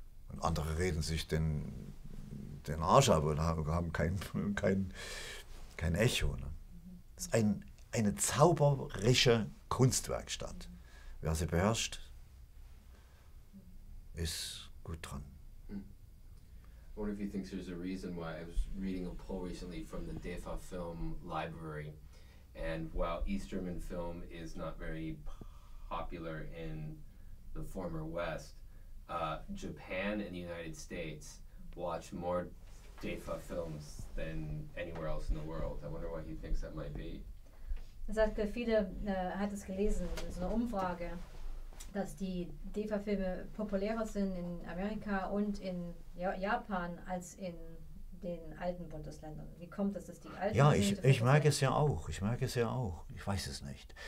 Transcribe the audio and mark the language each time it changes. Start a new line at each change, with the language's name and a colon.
German: Und andere reden sich den Arsch ab und haben kein Echo. Ne? Das ist eine zauberische Kunstwerkstatt. Wer sie beherrscht, ist gut dran.
English: I wonder if you think there's a reason why. I was reading a poll recently from the DEFA Film Library, and while East German film is not very popular in the former West, Japan and the United States watch more DEFA films than anywhere else in the world. I wonder why he thinks that might be.
German: Er sagt, viele hat es gelesen in so einer Umfrage, dass die DEFA-Filme populärer sind in Amerika und in Japan als in den alten Bundesländern. Wie kommt das, dass die alten? Ja, ich merke es ja auch. Ich merke es ja auch. Ich weiß es nicht.